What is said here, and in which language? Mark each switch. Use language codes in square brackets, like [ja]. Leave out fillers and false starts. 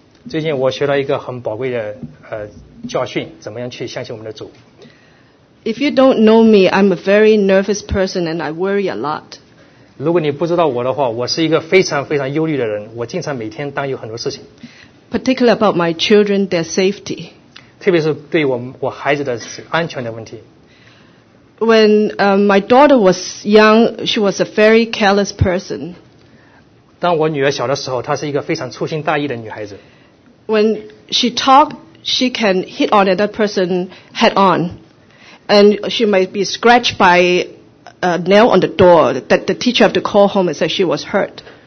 [zh] 最近我学到一个很宝贵的教训，怎么样去相信我们的主。 [en] If you don't know me, I'm a very nervous person and I worry a lot. [zh] 如果你不知道我的话，我是一个非常非常忧虑的人，我经常每天担忧很多事情。 [en] Particularly about my children, their safety. [zh] 特别是对我孩子的安全的问题。 [en] When my daughter was young, she was a very careless person. [zh] 当我女儿小的时候，她是一个非常粗心大意的女孩子。 [en] When she talked, she can hit on another person head on, and she might be scratched by a nail on the door that the teacher had to call home and said she was hurt.